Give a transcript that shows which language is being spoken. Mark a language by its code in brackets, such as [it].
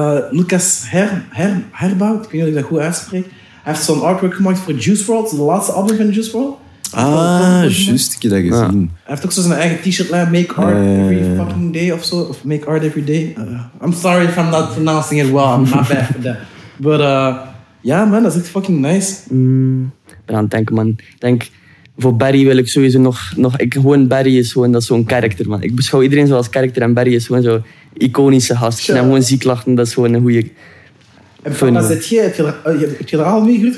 [nl] Lucas Herbout, ik weet niet of ik dat goed uitspreek, hij heeft zo'n artwork gemaakt voor Juice WRLD, de laatste album van Juice WRLD. Juist, ik heb dat gezien. Hij heeft ook zo zijn eigen t-shirt lijn, Make Art Every Fucking Day of zo, of Make Art Every Day. [en] I'm sorry if I'm not pronouncing it well, I'm not bad for that. But, ja yeah, man, [nl] dat is echt fucking nice. Ik ben aan het denken, man. Ik denk, voor Barry wil ik sowieso nog ik, gewoon Barry is gewoon, dat is zo'n karakter, man. Ik beschouw iedereen zoals karakter en Barry is gewoon zo... Iconische gast. Ik ben gewoon ziek lachen. Dat is gewoon een goeie... En van, dat zit je? Heb je er al mee gehoord?